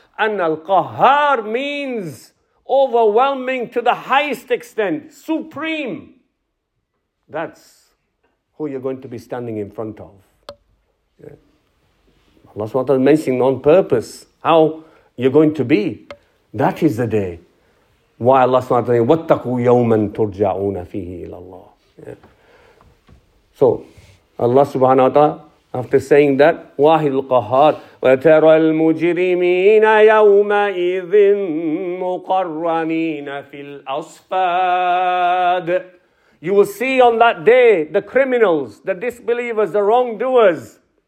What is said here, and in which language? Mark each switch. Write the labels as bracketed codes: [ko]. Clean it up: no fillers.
[en] And Al-Qahhar means overwhelming to the highest extent, supreme. That's who you're going to be standing in front of. Yeah. Allah subhanahu wa ta'ala mentioning on purpose how you're going to be. That is the day. Why Allah subhanahu wa ta'ala, [ar] وَاتَّقُوا يَوْمًا تُرْجَعُونَ فِيهِ إِلَى اللَّهِ. [en] So, Allah subhanahu wa ta'ala, after saying that, [ar] وَاحِدُ الْقَهَّارِ وَتَرَى الْمُجِرِمِينَ يَوْمَئِذٍ مُقَرَّنِينَ فِي الْأَصْفَادِ, [en] you will see on that day the criminals, the disbelievers, the wrongdoers.